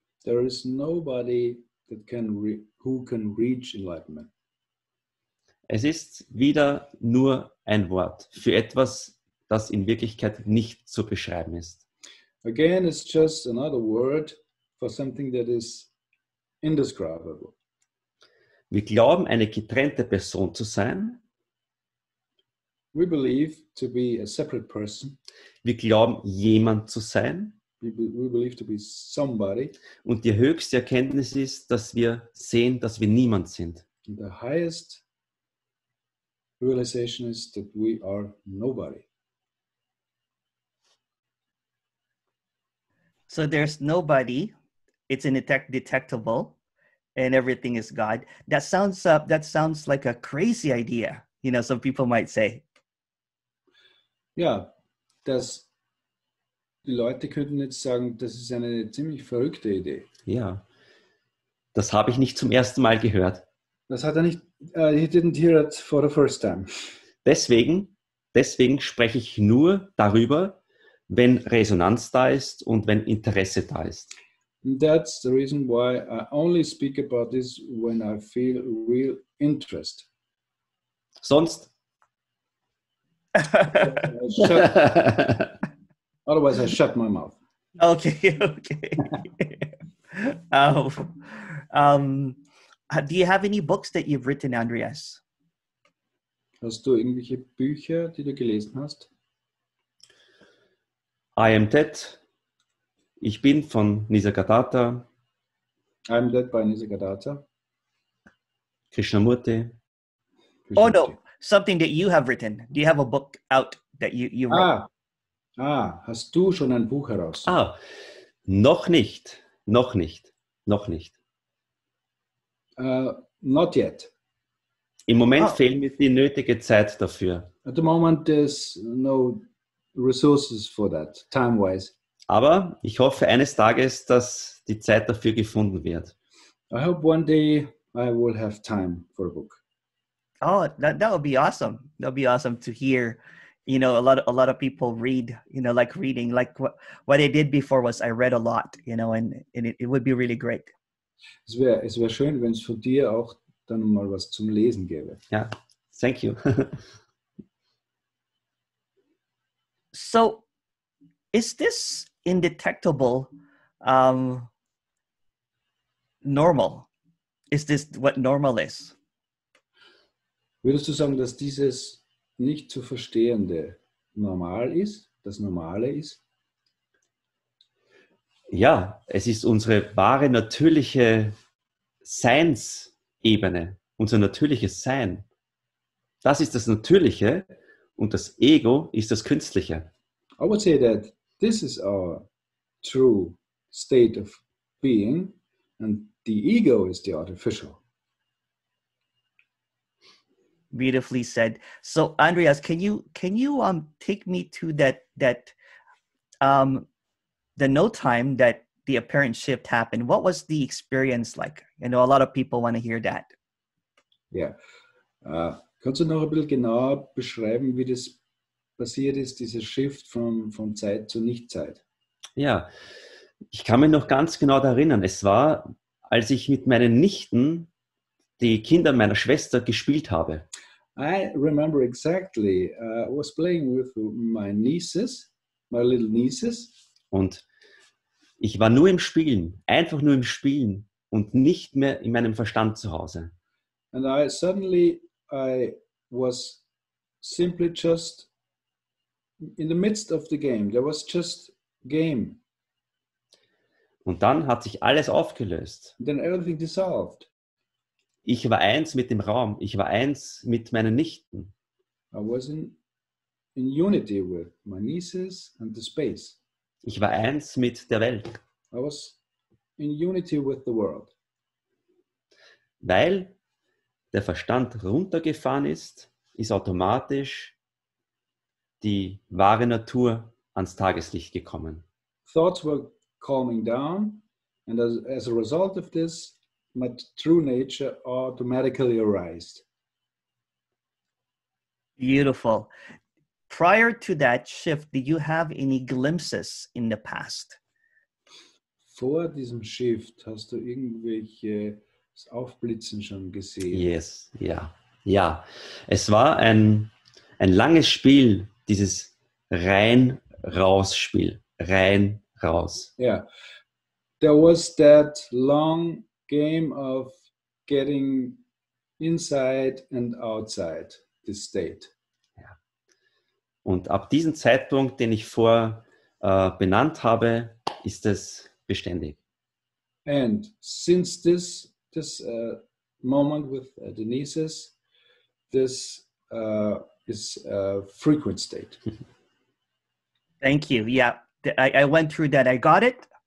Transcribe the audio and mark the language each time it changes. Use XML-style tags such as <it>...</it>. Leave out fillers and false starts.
<en>There is nobody that can who can reach enlightenment.</en> <de>Es ist wieder nur ein Wort für etwas, das in Wirklichkeit nicht zu beschreiben ist.</de> <en>Again, it's just another word for something that is indescribable.</en> <de>Wir glauben, eine getrennte Person zu sein.</de> <en>We believe to be a separate person.</en> <de>Wir glauben, jemand zu sein.</de> <en>We believe to be somebody.</en> <de>Und die höchste Erkenntnis ist, dass wir sehen, dass wir niemand sind.</de> <en>And the highest realization is that we are nobody. So there's nobody. It's an detectable. And everything is God. That sounds like a crazy idea. You know, some people might say.</en> <de>Yeah, das. Die Leute könnten jetzt sagen, das ist eine ziemlich verrückte Idee. Ja, das habe ich nicht zum ersten Mal gehört. Das hat er nicht.</de> <en>He didn't hear it for the first time.</en> <de>Deswegen spreche ich nur darüber, wenn Resonanz da ist und wenn Interesse da ist.</de> <en>And that's the reason why I only speak about this when I feel real interest.</en> <de>Sonst?</de> <en>Otherwise, I shut my mouth. Okay. Do you have any books that you've written, Andreas?</en> <de>Hast du irgendwelche Bücher, die du gelesen hast? I Am Dead. Ich bin von Nisargadatta.</de> <en>I'm dead by Nisargadatta. Krishnamurti. Oh no, something that you have written. Do you have a book out that you wrote?</en> <de>Hast du schon ein Buch heraus? Noch nicht.</de> <en>Not yet.</en> <de>Im Moment fehlt mir die nötige Zeit dafür.</de> <en>At the moment there's no resources for that, time-wise.</en> <de>Aber ich hoffe eines Tages, dass die Zeit dafür gefunden wird.</de> <en>I hope one day I will have time for a book. Oh, that would be awesome. That would be awesome to hear. You know, a lot of people read, you know, like reading. Like what I did before was I read a lot, you know, and it would be really great.</en> <de>Es wäre schön, wenn es von dir auch dann mal was zum Lesen gäbe.</de> <en>Ja, yeah. Thank you. So, is this indetectable normal? Is this what normal is?</en> <de>Würdest du sagen, dass dieses nicht zu verstehende normal ist, das Normale ist? Ja, es ist unsere wahre natürliche Seinsebene, unser natürliches Sein. Das ist das Natürliche und das Ego ist das Künstliche.</de> <en>I would say that this is our true state of being and the ego is the artificial. Beautifully said. So, Andreas, can you take me to that the no time that the apparent shift happened? What was the experience like? I know a lot of people want to hear that. Yeah.</en> <de>Kannst du noch ein bisschen genauer beschreiben, wie das passiert ist, dieser Shift von Zeit zu Nichtzeit? Ja, ich kann mich noch ganz genau daran erinnern. Es war, als ich mit meinen Nichten die Kinder meiner Schwester gespielt habe.</de> <en>I remember exactly. I was playing with my nieces, my little nieces.</en> <de>Und ich war nur im Spielen, einfach nur im Spielen und nicht mehr in meinem Verstand zu Hause.</de> <en>And I was simply just in the midst of the game. There was just game.</en> <de>Und dann hat sich alles aufgelöst.</de> <en>And then everything dissolved.</en> <de>Ich war eins mit dem Raum. Ich war eins mit meinen Nichten.</de> <en>I was in unity with my nieces and the space.</en> <de>Ich war eins mit der Welt.</de> <en>I was in unity with the world.</en> <de>Weil der Verstand runtergefahren ist automatisch die wahre Natur ans Tageslicht gekommen.</de> <en>Thoughts were calming down and as a result of this, my true nature automatically arised. Beautiful. Prior to that shift, did you have any glimpses in the past?</en> <de>Vor diesem Shift hast du irgendwelche das Aufblitzen schon gesehen.</de> <en>Yes, ja.</en> <de>Ja, es war ein langes Spiel, dieses Rein-Raus-Spiel. Rein-Raus. Ja, yeah.</de> <en>There was that long game of getting inside and outside the state.</en> <de>Ja. Und ab diesem Zeitpunkt, den ich vor benannt habe, ist es beständig.</de> <en>And since this moment with the nieces, this is a frequent state. Thank you. Yeah, I went through that. I got it.</en>